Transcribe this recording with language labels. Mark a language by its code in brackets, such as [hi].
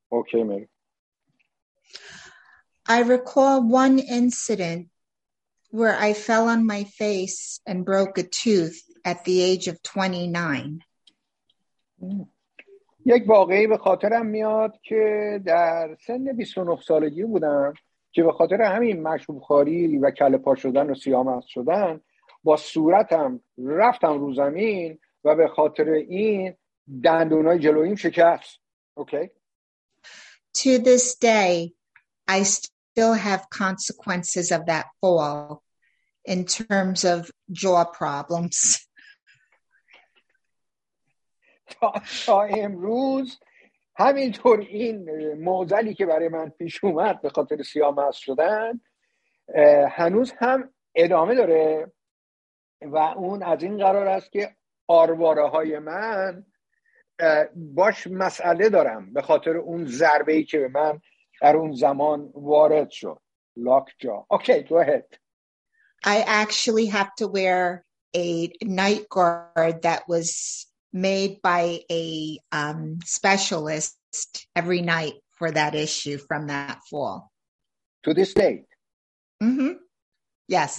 [fa] اوکی میگه. [en] I recall one incident where I fell on my face and broke a tooth at the age of 29. [fa] یک واقعی به خاطرم میاد که در سن 29 سالگی بودم که به خاطر همین مشروب خواری و کله پا شدن و سیاه‌مست شدن با صورتم رفتم رو زمین و به خاطر این دندونای جلوییم شکست. [en] Okay. To this day I still have consequences of that fall in terms of jaw problems. [fa] تا امروز همینطور این معضلی که برای من پیش اومد به خاطر سیاه‌مغز شدن هنوز هم ادامه داره و اون از این قرار است که آرواره های من باش مسئله دارم به خاطر اون ضربه‌ای که به من در اون زمان وارد شد. [en] Lockjaw. Okay, go ahead. I actually have to wear a night guard that was made by a specialist every night for that issue from that fall. To this day? Mm-hmm. Yes.